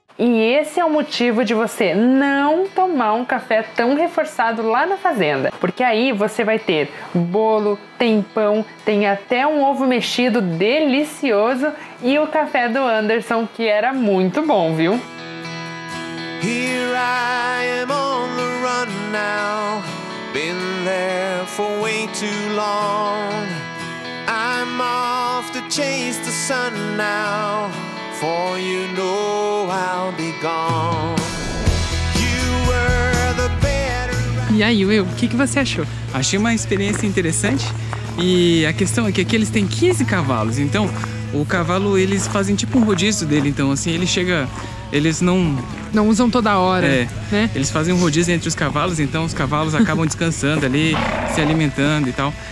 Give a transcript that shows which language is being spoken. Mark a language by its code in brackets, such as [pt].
[pt] E esse é o motivo de você não tomar um café tão reforçado lá na fazenda. Porque aí você vai ter bolo, tem pão, tem até um ovo mexido delicioso e o café do Anderson, que era muito bom, viu? [en] Here I am on the run now, been there for way too long. I'm off to chase the sun now, for you know I'll be gone. You were the better. [pt] E aí, Will, o que você achou? Achei uma experiência interessante e a questão é que aqui eles têm 15 cavalos, então o cavalo eles fazem tipo um rodízio dele, então assim ele chega. Eles não usam toda hora, né? Eles fazem um rodízio entre os cavalos, então os cavalos acabam descansando ali, se alimentando e tal.